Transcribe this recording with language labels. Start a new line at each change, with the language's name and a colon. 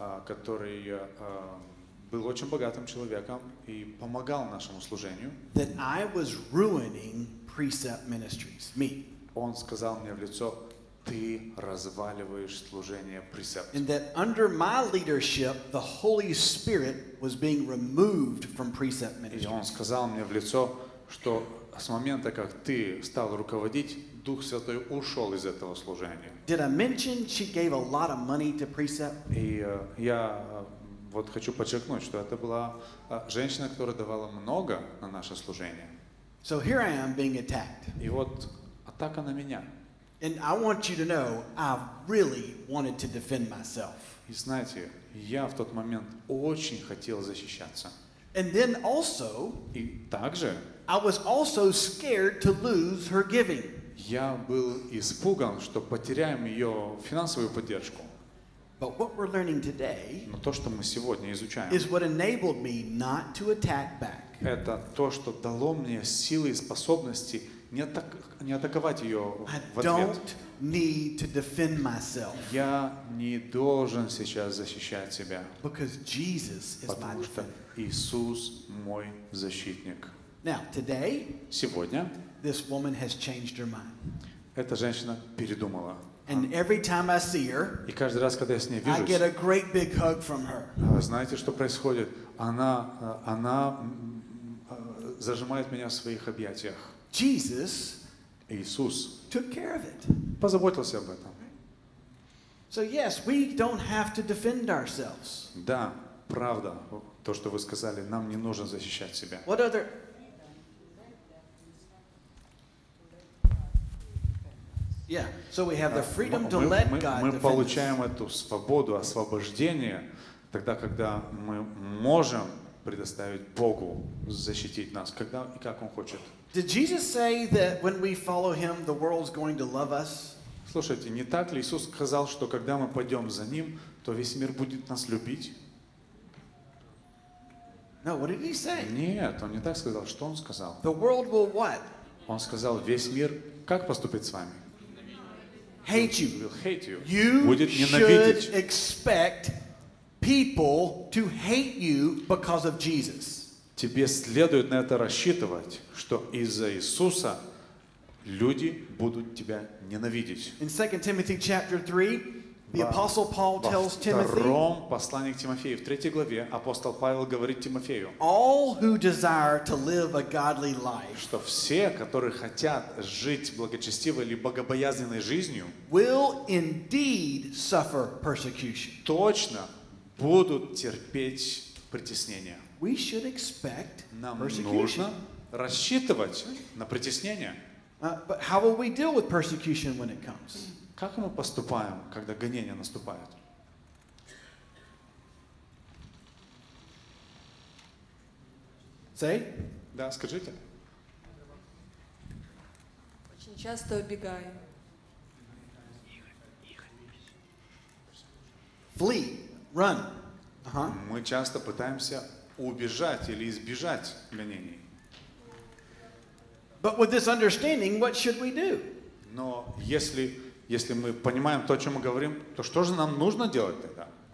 Russian: который был очень богатым человеком и помогал нашему служению.
English: That I was ruining Precept Ministries. Me.
Russian: Он сказал мне в лицо: ты разваливаешь служение Precept.
English: And that under my leadership, the Holy Spirit was being removed from Precept ministry.
Russian: И он сказал мне в лицо, что с момента, как ты стал руководить, Дух Святой ушел из этого служения.
English: Did I mention she gave a lot of money to Precept?
Russian: И я вот хочу подчеркнуть, что это была женщина, которая давала много на наше служение.
English: So here I am being attacked.
Russian: И вот атака на меня.
English: And I want you to know, I really wanted to defend myself.
Russian: И знаете, я в тот момент очень хотел защищаться.
English: And then also,
Russian: и также,
English: I was also scared to lose her giving.
Russian: Я был испуган, что потеряем ее финансовую поддержку.
English: But what we're learning today,
Russian: но то, что мы сегодня изучаем,
English: is what enabled me not to attack back.
Russian: Это то, что дало мне силы и способности не атаковать ее в ответ.
English: I don't need to defend myself.
Russian: Я не должен сейчас защищать себя.
English: Because Jesus is
Russian: потому
English: my
Russian: что Иисус мой защитник.
English: Now, today,
Russian: сегодня
English: this woman has changed her mind.
Russian: Эта женщина передумала.
English: And every time I see her,
Russian: и каждый раз, когда я с ней вижусь,
English: I get a great big hug from her.
Russian: Знаете, что происходит? Она зажимает меня в своих объятиях.
English: Jesus
Russian: Иисус
English: took care of it.
Russian: Позаботился об этом.
English: So yes, we don't have to defend ourselves.
Russian: Да, правда, то, что вы сказали, нам не нужно защищать себя.
English: What other? Yeah. So we have the freedom to let God defend us.
Russian: Мы получаем эту свободу, освобождение, тогда, когда мы можем предоставить Богу защитить нас, когда и как Он хочет.
English: Did Jesus say that when we follow him, the world's going to love us?
Russian: Слушайте, не так ли Иисус сказал, что когда мы пойдем за ним, то весь мир будет нас любить?
English: No, what did he say?
Russian: Нет, он не так сказал. Что он сказал?
English: The world will what?
Russian: Он сказал, весь мир как поступит с вами?
English: Hate you. Will hate you. You
Russian: будет
English: should expect people to hate you because of Jesus.
Russian: Тебе следует на это рассчитывать, что из-за Иисуса люди будут тебя ненавидеть.
English: In 2 Timothy chapter 3, the apostle Paul tells Timothy.
Russian: Во втором послании к Тимофею, в третьей главе, апостол Павел говорит Тимофею.
English: All who desire to live a godly life.
Russian: Что все, которые хотят жить благочестивой или богобоязненной жизнью,
English: will indeed suffer persecution.
Russian: Точно будут терпеть притеснение.
English: We should expect
Russian: Нам
English: persecution.
Russian: Нужно рассчитывать на притеснение.
English: But how will we deal with persecution when it comes?
Russian: Как мы поступаем, когда гонения наступают?
English: Say?
Russian: Да, скажите. Очень часто убегаем.
English: Flee, run.
Russian: Мы часто пытаемся убежать или избежать гонений.
English: But with this understanding, what should we do?
Russian: Но если мы понимаем то, о чем мы говорим, то что же нам нужно делать тогда?